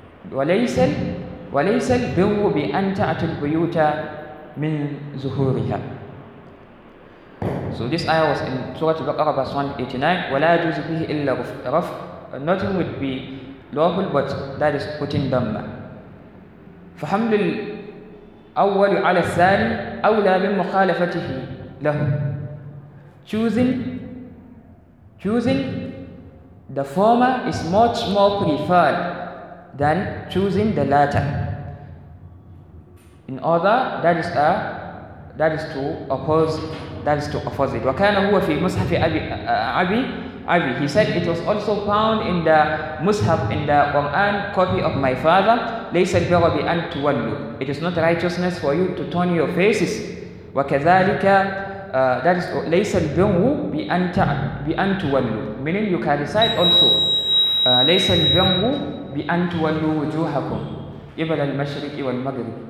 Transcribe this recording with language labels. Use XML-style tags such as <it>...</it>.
<ar>Walaysa al-birru bi-an ta'atul buyuta min zuhuriha.</ar> <en>So this ayah was in Surah Al-Baqarah, verse 189.</en> <ar>Wala juzu fihi illa ruf'ah.</ar> <en>Nothing would be lawful but that is putting dhamma.</en> <ar>فحمل الأول على الثاني أولى من مخالفته له.</ar> <en>Choosing the former is much more preferred than choosing the latter. In order that is to oppose it.</en> <ar>وكان هو في مصحف أبي.</ar> <en>He said it was also found in the Mus'haf, in the Quran copy of my father.</en> <ar>ليس البر بأن تولوا.</ar> <en>It is not righteousness for you to turn your faces.</en> <ar>وكذلك</ar> <en>that is</en> <ar>ليس البر بأن تولوا.</ar> <en>Meaning you can recite also</en> <ar>ليس البر بأن تولوا وجوهكم قبل المشرق والمغرب.</ar>